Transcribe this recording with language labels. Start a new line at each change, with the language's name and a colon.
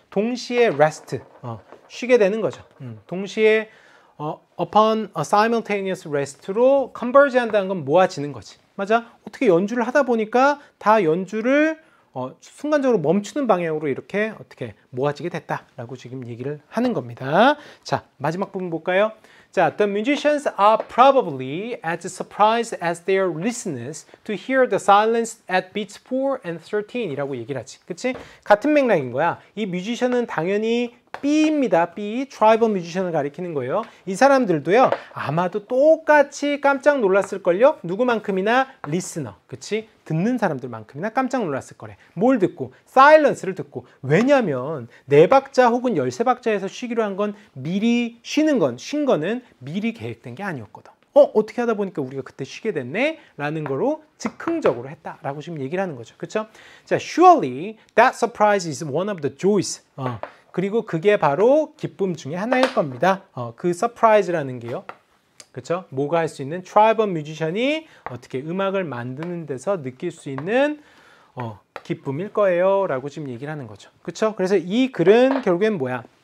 Korean: 동시에 rest, 쉬게 되는 거죠. 동시에
English: upon a simultaneous rest
Korean: 로 converge 한다는 건 모아지는 거지. 맞아? 어떻게 연주를 하다 보니까 다 연주를 순간적으로 멈추는 방향으로 이렇게 어떻게 모아지게 됐다라고 지금 얘기를 하는 겁니다. 자, 마지막 부분 볼까요?
English: 자, the musicians are probably as surprised as their listeners to hear the silence at beats 4 and 13
Korean: 이라고 얘기를 하지. 그치? 같은 맥락인 거야. 이 뮤지션은 당연히 B입니다. B, tribal musician을 가리키는 거예요. 이 사람들도요, 아마도 똑같이 깜짝 놀랐을걸요? 누구만큼이나 listener, 그치? 듣는 사람들만큼이나 깜짝 놀랐을거래. 뭘 듣고? silence를 듣고. 왜냐면 네 박자 혹은 열세 박자에서 쉬기로 한 건 미리 쉬는 건, 쉰 거는 미리 계획된 게 아니었거든. 어떻게 하다 보니까 우리가 그때 쉬게 됐네? 라는 거로 즉흥적으로 했다라고 지금 얘기를 하는 거죠. 그쵸?
English: 자, surely that surprise is one of the joys.
Korean: 그리고 그게 바로 기쁨 중에 하나일 겁니다. 그 서프라이즈라는 게요. 그렇죠? 뭐가 할 수 있는 트라이벌 뮤지션이 어떻게 음악을 만드는 데서 느낄 수 있는 기쁨일 거예요. 라고 지금 얘기를 하는 거죠. 그렇죠? 그래서 이 글은 결국엔 뭐야?